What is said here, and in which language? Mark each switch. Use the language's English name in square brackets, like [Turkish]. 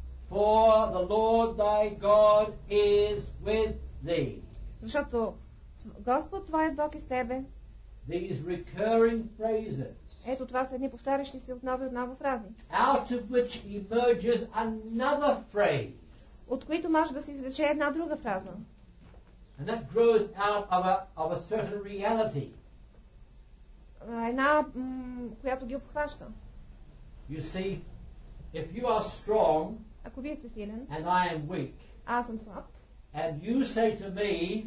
[English] For the Lord thy God is with thee. [Bulgarian] Защото Господ твоят Бог е с тебе. [English] These recurring phrases. [Bulgarian] Ето това са едни повтарящи се отново и отново фрази. [English] Out of which emerges another phrase. [Bulgarian] От които може да се извлече една друга фраза. [English] And that grows out of a certain reality. [Bulgarian] Една, която ги обхваща. [English] You see, if you are strong, [Bulgarian] ако вие сте силен, [English] and I am weak, [Bulgarian] аз съм слаб, [English] and you say to me,